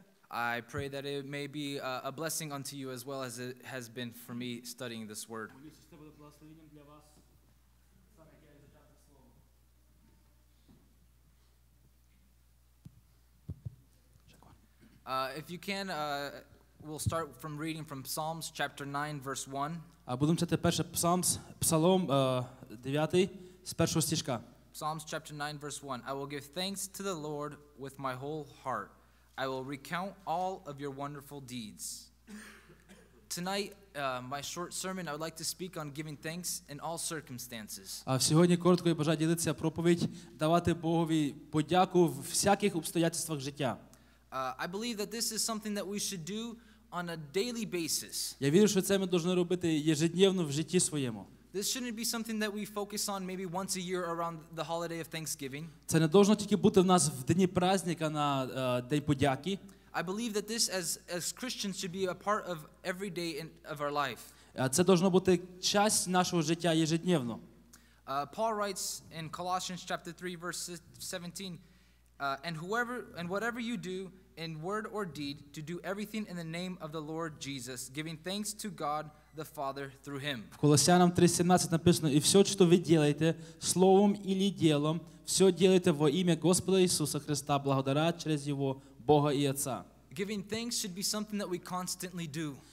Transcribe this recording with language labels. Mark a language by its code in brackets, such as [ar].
[en] I pray that it may be a blessing unto you as well as it has been for me studying this word. If you can, we'll start from reading from Psalms chapter 9, verse 1. [uk] Будемо читати перше Псалом 9, з першого стишка. [en] Psalms chapter 9, verse 1. I will give thanks to the Lord with my whole heart. I will recount all of your wonderful deeds. Tonight, my short sermon, I would like to speak on giving thanks in all circumstances. [uk] Сьогодні коротко я бажаю ділитися проповідь, давати Богові подяку в всяких обстоятельствах життя. [en] I believe that this is something that we should do on a daily basis. [uk] Я вірю, що це ми повинні робити ежедневно в житті своєму. [en] This shouldn't be something that we focus on maybe once a year around the holiday of Thanksgiving. [uk] Це не повинно тільки бути в нас в дні праздника на День подяки. [en] I believe that this as Christians should be a part of every day of our life. [uk] Це повинно бути частиною нашого життя ежедневно. [en] Paul writes in Colossians chapter 3 verse 17, and whatever you do in word or deed, to do everything in the name of the Lord Jesus, giving thanks to God the Father through him. [uk] В Колосянам 3:17 написано: "І все, що ви ділаєте, словом или ділом, все ділайте во ім'я Господа Ісуса Христа, благодаря через його Бога і Отця". [en] Giving thanks should be something that we constantly do.